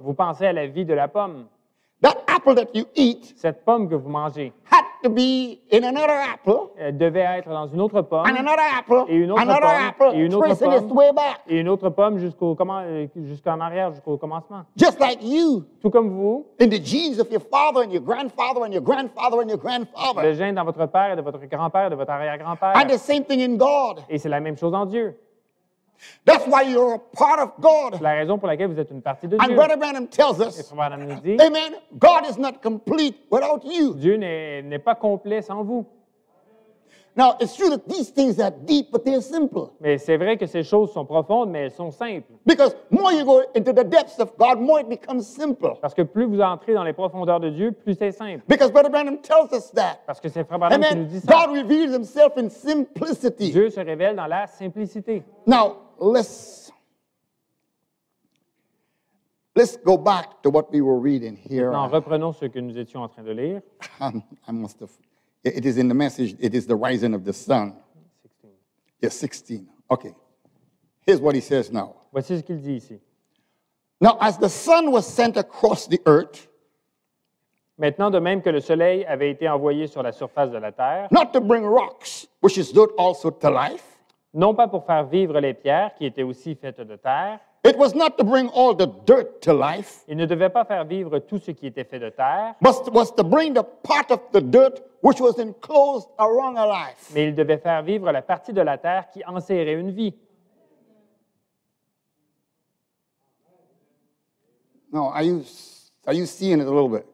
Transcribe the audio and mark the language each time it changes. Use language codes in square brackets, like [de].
[fr] Vous pensez à la vie de la pomme. [en] That apple that you eat, [fr] cette pomme que vous mangez, [en] had to be in another apple. [fr] Elle devait être dans une autre pomme. [en] And another apple. [fr] Et une autre [en] another [fr] pomme. [en] Apple, [fr] et une autre pomme. [en] Its way back. [fr] Et une autre pomme jusqu'en arrière, jusqu'au commencement. [en] Just like you. [fr] Tout comme vous. [en] In the genes of your father and your grandfather and your grandfather and your grandfather. [fr] Le gène dans votre père et de votre grand-père et de votre arrière-grand-père. [en] And the same thing in God. [fr] Et c'est la même chose en Dieu. [en] That's why you're a part of God. [fr] La raison pour laquelle vous êtes une partie de [en] Dieu. And Brother Branham tells us. [fr] Et Brother Branham nous dit. [en] Amen. God is not complete without you. [fr] Dieu n'est pas complet sans vous. [en] Now it's true that these things are deep, but they're simple. [fr] Mais c'est vrai que ces choses sont profondes, mais elles sont simples. [en] Because more you go into the depths of God, more it becomes simple. [fr] Parce que plus vous entrez dans les profondeurs de Dieu, plus c'est simple. [en] Because Brother Branham tells us that. [fr] Parce que c'est Frère Branham qui nous dit ça. [en] God reveals Himself in simplicity. [fr] Dieu se révèle dans la simplicité. [en] Now. Let's go back to what we were reading here. [fr] Non, reprenons ce que nous étions en train de lire. [en] I must have. It is in the message. It is the rising of the sun. 16. Yes, 16. Okay. Here's what he says now. [fr] Voici ce qu'il dit ici. [en] Now, as the sun was sent across the earth. [fr] Maintenant, de même que le soleil avait été envoyé sur la surface de la terre. [en] Not to bring rocks, which is good also to life. [fr] Non pas pour faire vivre les pierres qui étaient aussi faites de terre. [en] It was not to bring all the dirt to life. [fr] Il ne devait pas faire vivre tout ce qui était fait de terre. [en] But was to bring the part of the dirt which was enclosed around a life. [fr] Mais il devait faire vivre la partie de la terre qui enserrait une vie. [en] Now, are you seeing it a little bit?